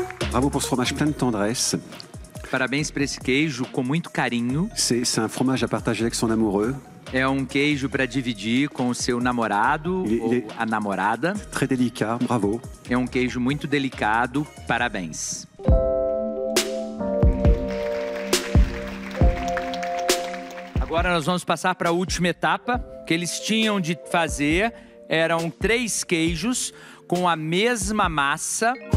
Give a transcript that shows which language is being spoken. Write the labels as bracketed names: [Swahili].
[French] Bravo pour ce fromage plein de tendresse. [Portuguese] Parabéns para esse queijo com muito carinho. [French] C'est un fromage à partager avec son amoureux. [Portuguese] É queijo para dividir com o seu namorado ou a namorada. [French] Très délicat, bravo. [Portuguese] É queijo muito delicado, parabéns. Agora nós vamos passar para a última etapa. O que eles tinham de fazer eram três queijos com a mesma massa.